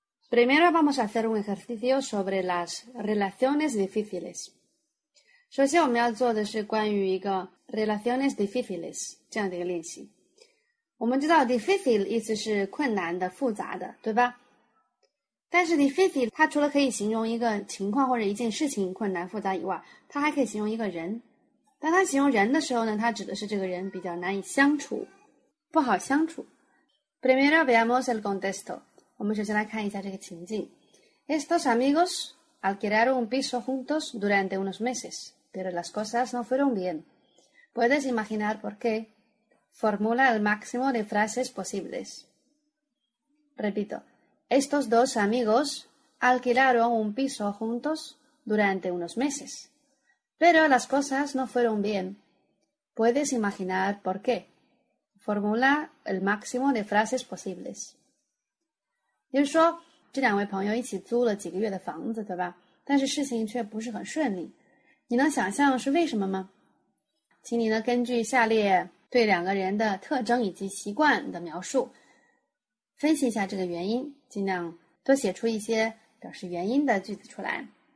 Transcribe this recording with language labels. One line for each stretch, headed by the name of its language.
Spanish: Primero vamos a hacer un ejercicio sobre las relaciones difíciles.
Chinese: 首先我们要做的是关于一个
Spanish: relaciones difíciles
Chinese: 这样的一个练习。我们知道 difícil 意思是困难的、复杂的，对吧？但是 difícil 它除了可以形容一个情况或者一件事情困难复杂以外，它还可以形容一个人。当它形容人的时候呢，它指的是这个人比较难以相处，不好相处。
Spanish: Primero veamos el contexto.
Chinese: 我们首先来看一下这个情境。
Spanish: Estos amigos alquilaron un piso juntos durante unos meses, pero las cosas no fueron bien. Puedes imaginar por qué. Formula el máximo de frases posibles. Repito. Estos dos amigos alquilaron un piso juntos durante unos meses, pero las cosas no fueron bien. Puedes imaginar por qué. Formula el máximo de frases posibles.
Chinese: 就是说，这两位朋友一起租了几个月的房子，对吧？但是事情却不是很顺利。你能想象是为什么吗？请你呢，根据下列对两个人的特征以及习惯的描述，分析一下这个原因，尽量多写出一些表示原因的句子出来。